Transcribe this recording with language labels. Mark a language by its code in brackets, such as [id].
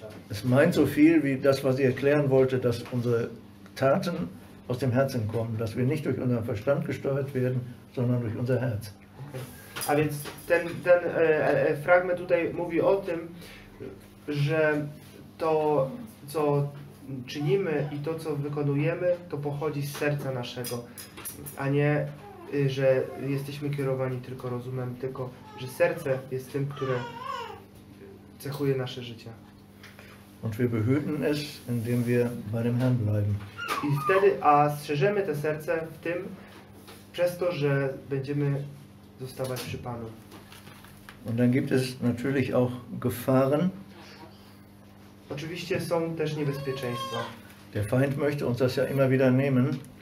[de] Es meint so viel wie das, was ich erklären wollte, dass unsere Taten aus dem Herzen kommen, dass wir nicht durch unseren Verstand gesteuert werden, sondern durch unser Herz. [pl] Okay. A więc ten fragment tutaj mówi o tym, że to, co czynimy i to, co wykonujemy, to pochodzi z serca naszego, a nie że jesteśmy kierowani tylko rozumem, tylko że serce jest tym, które cechuje nasze życie. [de] Und wir behüten es, indem wir bei dem Herrn bleiben. [pl] I wtedy, a strzeżemy te serce w tym, przez to, że będziemy zostawać przy Panu. [de] Und dann gibt es natürlich auch Gefahren. [pl] Oczywiście są też niebezpieczeństwa. [de] Der Feind möchte uns das ja immer wieder nehmen.